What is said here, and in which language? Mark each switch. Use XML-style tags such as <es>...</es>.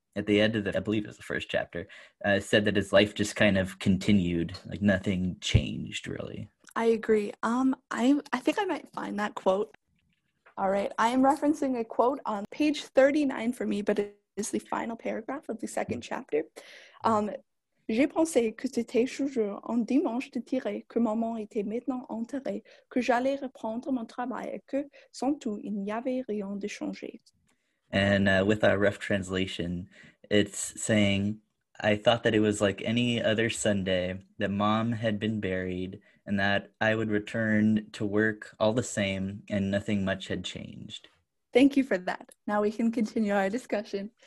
<en>At the end of the, I believe it was the first chapter, said that his life just kind of continued, like nothing changed really. I agree. I think I might find that quote. All right. I am referencing a quote on page 39 for me, but it is the final paragraph of the second chapter.</en> <fr>J'ai pensé que c'était toujours un dimanche de tirer que maman était maintenant enterrée, que j'allais reprendre mon travail et que, sans tout, il n'y avait rien de changé.</fr> <en>And with our rough translation, it's saying, I thought that it was like any other Sunday, that mom had been buried, and that I would return to work all the same, and nothing much had changed. Thank you for that. Now we can continue our discussion.</en>